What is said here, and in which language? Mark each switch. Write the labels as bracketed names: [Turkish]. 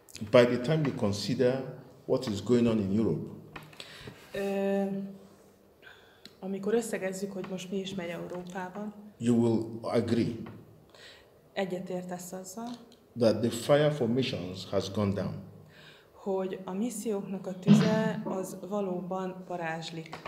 [English] By the time you consider what is going on in Europe. [Hungarian] Amikor összegezzük, hogy most mi is megy Európában. [English] You will agree. [Hungarian] Egyetértesz azzal. [English] That the fire for missions has gone down. [Hungarian] Hogy a misszióknak a tüze az valóban parázslik.